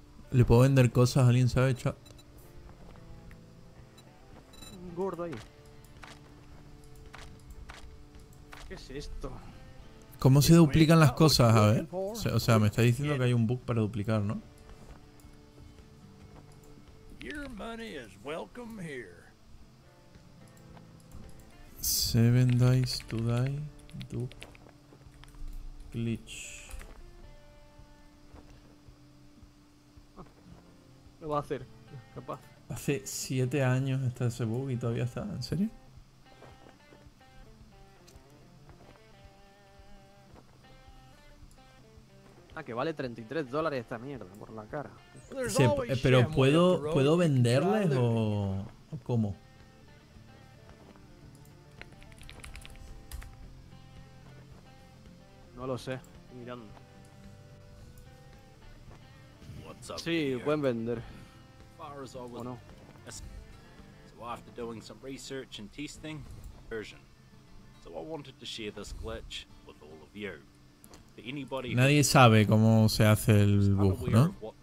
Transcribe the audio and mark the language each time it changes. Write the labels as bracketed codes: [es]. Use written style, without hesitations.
[es] ¿Le puedo vender cosas? ¿Alguien sabe, chat? Un gordo ahí. ¿Qué es esto? ¿Cómo se duplican las cosas? A ver. O sea, me está diciendo que hay un bug para duplicar, ¿no? [en] Your money is welcome here. 7 dice to die. Dupe. Glitch. [es] Lo va a hacer. Capaz. Hace 7 años está ese bug y todavía está. ¿En serio? Ah, que vale $33 esta mierda, por la cara. Pero ¿puedo venderles o cómo? No lo sé, mirando. Sí, pueden vender. ¿O no? [en] So after doing some research and testing, version. So I wanted to share this glitch with all of you. [es] Nadie sabe cómo se hace el bug, ¿no?